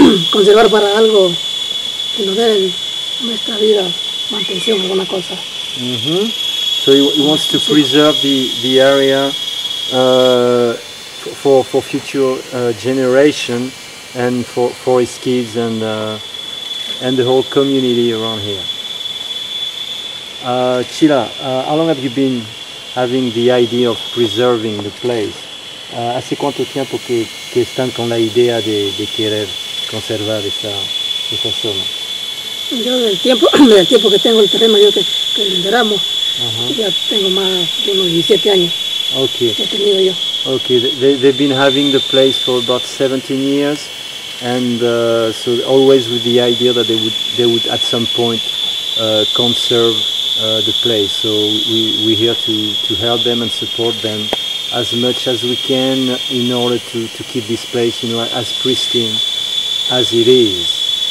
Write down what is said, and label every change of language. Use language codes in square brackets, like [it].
[es] Conservar para algo que nos dé nuestra vida, mantención, alguna cosa. Mm-hmm. [en] So he wants to preserve the area for future generation and for his kids and the whole community around here. Chila, how long have you been having the idea of preserving the place? [es] ¿Hace cuánto tiempo que están con la idea de querer conservar esa zona? Yo del tiempo que tengo el terreno, yo que lideramos, uh-huh. Ya tengo más de unos 17 años. Okay. Que he tenido yo. [en] Okay, they've been having the place for about 17 years, and so always with the idea that they would at some point conserve the place. So we're here to help them and support them as much as we can in order to keep this place, you know, as pristine as it is.